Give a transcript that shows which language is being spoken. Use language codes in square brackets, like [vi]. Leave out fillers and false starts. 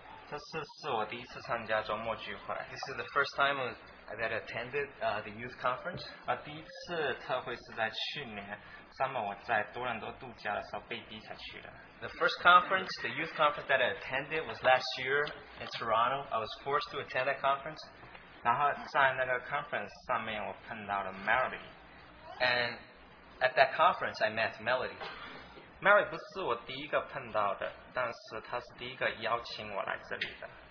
[zh] 这是我第一次参加周末聚会。 [en] This is the first time that I attended the youth conference. [zh] 第一次特会是在去年, summer 我在多伦多度假的时候被逼下去的。 [en] The first conference, the youth conference that I attended was last year in Toronto. I was forced to attend that conference. [zh] 然后在那个 conference 上面我碰到了 Melody。 [en] And at that conference, I met Melody. [zh] Melody 不是我第一个碰到的，但是她是第一个邀请我来这里的。